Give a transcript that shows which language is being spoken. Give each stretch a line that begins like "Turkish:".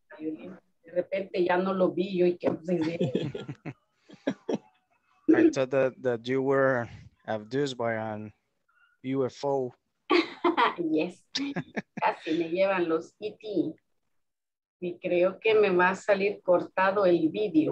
Spanish: De repente ya no lo vi yo y que no sé.
English: I thought that you were abducted by an UFO. Yes.
Spanish: Casi me llevan los ET. Y creo que me va a salir cortado el video.